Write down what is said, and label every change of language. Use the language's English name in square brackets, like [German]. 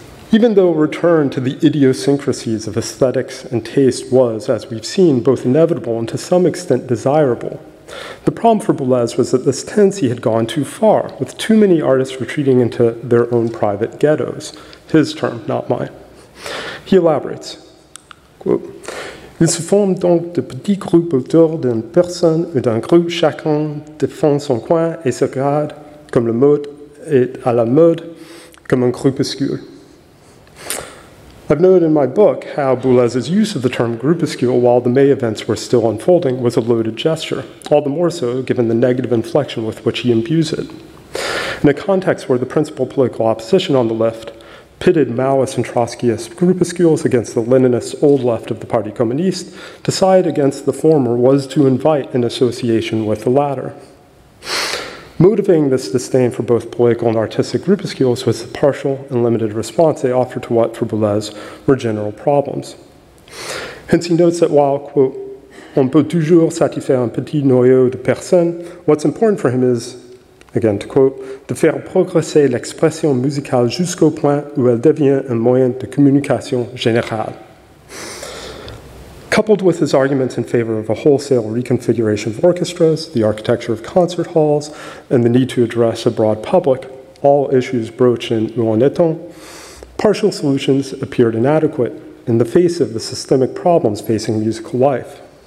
[English] Even though a return to the idiosyncrasies of aesthetics and taste was, as we've seen, both inevitable and to some extent desirable, the problem for Boulez was that this tendency had gone too far, with too many artists retreating into their own private ghettos. His term, not mine. He elaborates, quote, [French] Il se forme donc de petits groupes autour d'une personne ou d'un groupe, chacun défend son coin et se regarde comme le mode est à la mode, comme un groupuscule. [English] I've noted in my book how Boulez's use of the term groupuscule while the May events were still unfolding was a loaded gesture, all the more so given the negative inflection with which he imbues it. In a context where the principal political opposition on the left pitted Maoist and Trotskyist groupuscules against the Leninist old left of the Parti Communiste, to side against the former was to invite an association with the latter. Motivating this disdain for both political and artistic groupuscules was the partial and limited response they offered to what, for Boulez, were general problems. Hence he notes that while, quote, [French] on peut toujours satisfaire un petit noyau de personnes, [English] what's important for him is, again to quote, [French] de faire progresser l'expression musicale jusqu'au point où elle devient un moyen de communication générale. [English] Coupled with his arguments in favor of a wholesale reconfiguration of orchestras, the architecture of concert halls, and the need to address a broad public, all issues broached in Où en est-on, partial solutions appeared inadequate in the face of the systemic problems facing musical life.